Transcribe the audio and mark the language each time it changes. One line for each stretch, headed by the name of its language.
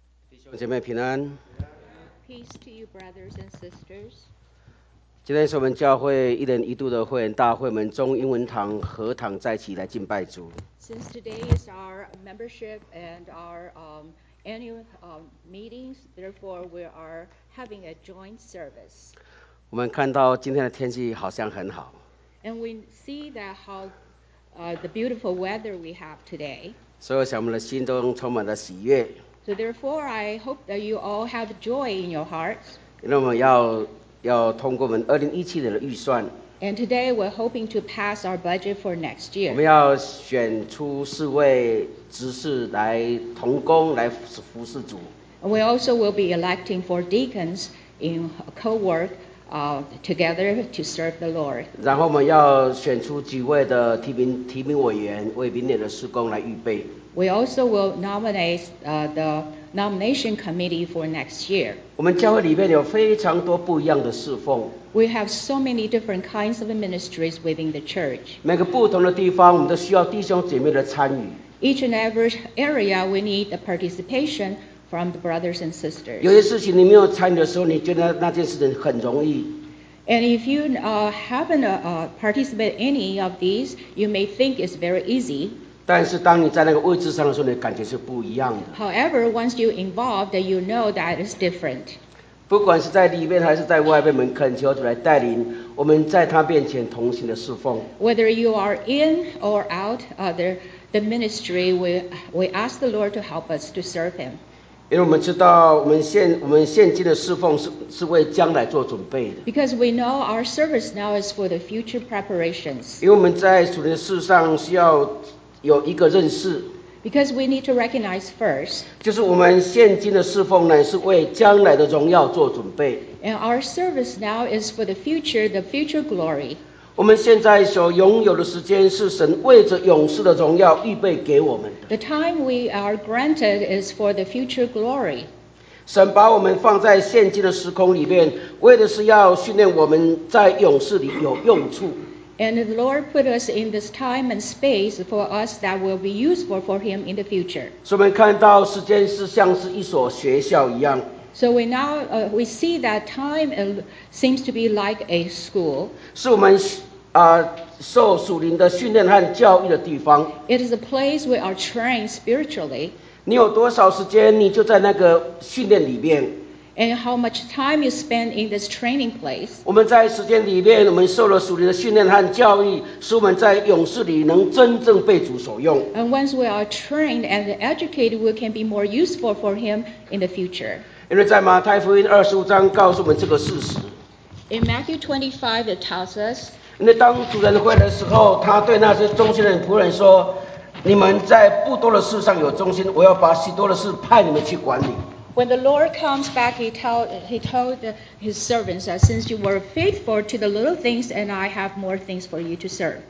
English: Peace to you, brothers and sisters.
Chinese: 今天是我们教会一年一度的会员大会，我们中英文堂合堂在一起来敬拜主。
English: Since today is our membership and our annual meetings, therefore we are having a joint service.
Chinese: 我们看到今天的天气好像很好。
English: And we see that how the beautiful weather we have today.
Chinese: 所以我们的心中充满了喜悦。
English: So therefore, I hope that you all have joy in your hearts.
Chinese: 那么要通过我们2017年的预算。
English: And today we're hoping to pass our budget for next year.
Chinese: 我们要选出四位执事来同工来服侍主。
English: We also will be electing four deacons in co-work, together to serve the Lord.
Chinese: 然后我们要选出几位的提名委员为明年的事工来预备。
English: We also will nominate the nomination committee for next year.
Chinese: 我们教会里面有非常多不一样的侍奉。
English: We have so many different kinds of ministries within the church.
Chinese: 每个不同的地方，我们都需要弟兄姐妹的参与。
English: Each and every area, we need the participation from the brothers and sisters.
Chinese: 有些事情你没有参与的时候，你觉得那件事情很容易。
English: And if you haven't participated any of these, you may think it's very easy.
Chinese: 但是当你在那个位置上的时候，你感觉是不一样的。
English: However, once you're involved, you know that it's different.
Chinese: 不管是在里面还是在外面，我们恳求主来带领我们在他面前同行的侍奉。
English: Whether you are in or out of the ministry, we ask the Lord to help us to serve Him.
Chinese: 因为我们知道我们现今的侍奉是为将来做准备的。
English: Because we know our service now is for the future preparations.
Chinese: 因为我们在主的事上需要有一个认识
English: ，because we need to recognize first，
Chinese: 就是我们现今的侍奉呢，是为将来的荣耀做准备。
English: And our service now is for the future glory。
Chinese: 我们现在所拥有的时间，是神为着永世的荣耀预备给我们的。
English: The time we are granted is for the future glory。
Chinese: 神把我们放在现今的时空里面，为的是要训练我们在永世里有用处。
English: And the Lord put us in this time and space for us that will be useful for Him in the future. So we
Chinese: 看到时间是像是一所学校一样。
English: So we now we see that time seems to be like a school.
Chinese: 是我们受属灵的训练和教育的地方。
English: It is a place we are trained spiritually.
Chinese: 你有多少时间，你就在那个训练里面。
English: And how much time you spend in this training place.
Chinese: 我们在时间里面，我们受了属灵的训练和教育，使我们在勇士里能真正被主所用。
English: And once we are trained and educated, we can be more useful for Him in the future.
Chinese: 因为在马太福音二十五章告诉我们这个事实。
English: In Matthew 25, it tells us.
Chinese: 因为当主人回来的时候，他对那些忠心的仆人说：“你们在不多的事上有忠心，我要把许多的事派你们去管理。”
English: When the Lord comes back, he told his servants that since you were faithful to the little things, and I have more things for you to serve.